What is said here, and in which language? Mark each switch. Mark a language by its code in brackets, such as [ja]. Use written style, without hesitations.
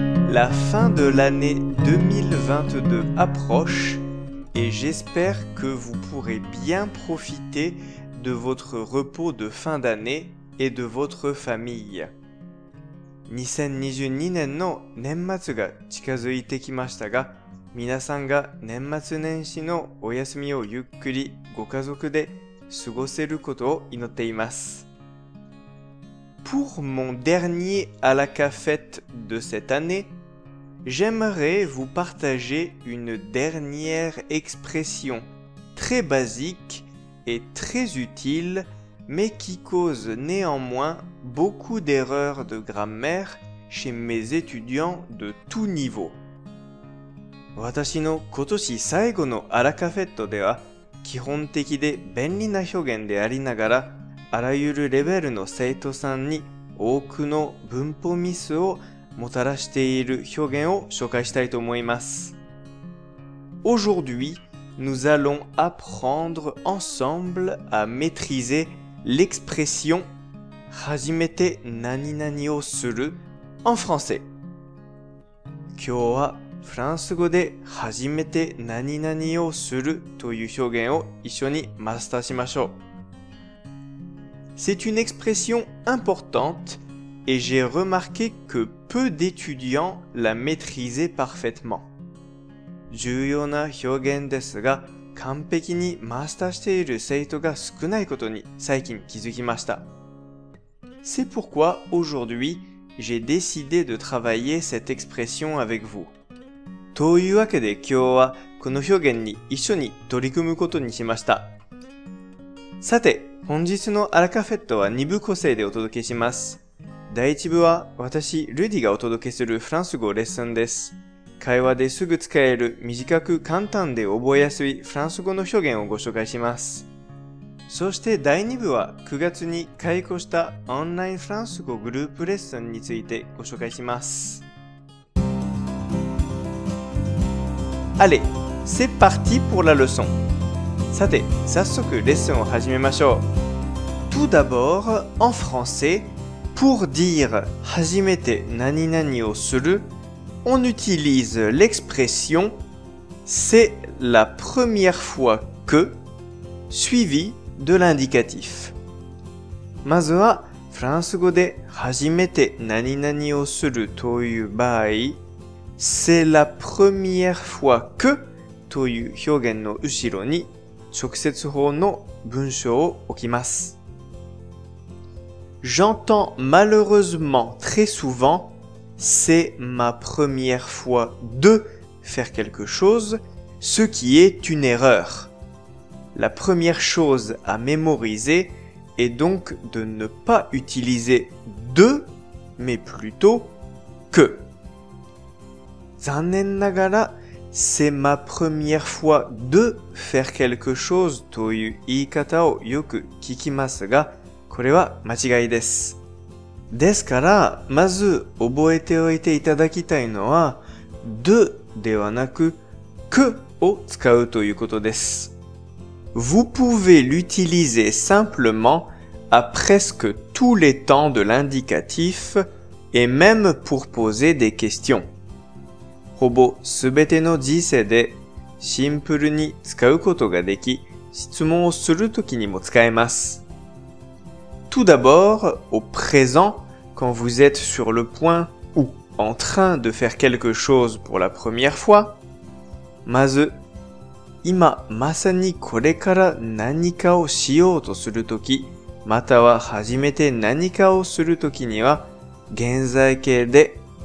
[fr] La fin de l'année 2022 approche et j'espère que vous pourrez bien profiter de votre repos de fin d'année et de votre famille. [ja] 2022年の年末が近づいてきましたが、皆さんが年末年始のお休みをゆっくりご家族で過ごせることを祈っています。 [fr] Pour mon dernier à la cafette de cette année, j'aimerais vous partager une dernière expression très basique est très utile, mais qui cause néanmoins beaucoup d'erreurs de grammaire chez mes étudiants de tout niveau. [ja] 私の今年最後のアラカフェットでは、基本的で便利な表現でありながら、あらゆるレベルの生徒さんに多くの文法ミスをもたらしている表現を紹介したいと思います。 [fr] Aujourd'hui,Nous allons apprendre ensemble à maîtriser l'expression [ja] hajimete naninani o suru [fr] en français. [ja] 今日はフランス語で hajimete naninani o suru という表現を一緒にマスターしましょう。 [fr] C'est une expression importante et j'ai remarqué que peu d'étudiants la maîtrisaient parfaitement. [ja] 重要な表現ですが、完璧にマスターしている生徒が少ないことに最近気づきました。 [fr] C'est pourquoi aujourd'hui j'ai décidé de travailler cette expression avec vous. [ja] というわけで今日はこの表現に一緒に取り組むことにしました。さて、本日のアラカフェットは2部構成でお届けします。第1部は私、ルディがお届けするフランス語レッスンです。会話ですぐ使える短く簡単で覚えやすいフランス語の表現をご紹介します。そして第2部は9月に開講したオンラインフランス語グループレッスンについてご紹介します。 [fr] Allez, c'est parti pour la leçon! [ja] さて、早速レッスンを始めましょう。 [fr] Tout d'abord, en français, pour dire [ja] 初めて何々をする [fr] On utilise l'expression « c'est la première fois que » suivi de l'indicatif. [ja] まずは、フランス語で初めて何々をするという場合、 [fr] 「c'est la première fois que」 [ja] という表現の後ろに直接法の文章を置きます。 [fr] J'entends malheureusement très souventC'est ma première fois de faire quelque chose, ce qui est une erreur. La première chose à mémoriser est donc de ne pas utiliser de, mais plutôt que. [ja] 残念ながら、 [fr] c'est ma première fois de faire quelque chose [ja] という言い方をよく聞きますが、これは間違いです。ですから、まず覚えておいていただきたいのは、de ではなく、que を使うということです。 [fr] Vous pouvez l'utiliser simplement à presque tous les temps de l'indicatif et même pour poser des questions. [ja] ほぼすべての時世でシンプルに使うことができ、質問をするときにも使えます。 [fr] Tout d'abord, au présent, quand vous êtes sur le point ou en train de faire quelque chose pour la première fois. [ja] まず、今まさにこれから何かをしようとするとき、または初めて何かをするときには、現在形で、